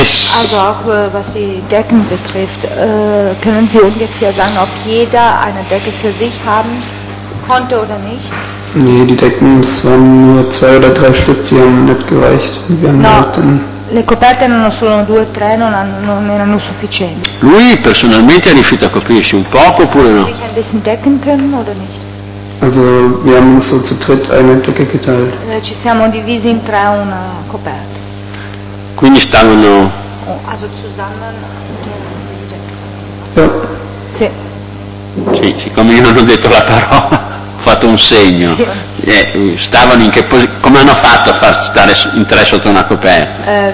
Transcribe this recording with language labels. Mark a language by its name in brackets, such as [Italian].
[German] Also, auch was die Decken betrifft, können Sie ungefähr sagen, ob jeder eine Decke für sich haben konnte oder nicht? Nee, die Decken, es waren nur zwei oder drei Stück, die haben nicht gereicht. [Italian] Le coperte erano solo due o tre, non erano sufficienti. Lui personalmente è riuscito a coprirsi un poco oppure no? [German] Sich ein bisschen decken können oder nicht? Also, wir haben uns so zu dritt eine Decke geteilt. [Italian] Ci siamo divisi in tre una coperta. Quindi stavano... [German] Also zusammen diese Decke. Ja. [Italian] Sì. Sì, siccome io non ho detto la parola. Ho fatto un segno. Sì. Stavano in che posizione? Come hanno fatto a far stare in tre sotto una coperta?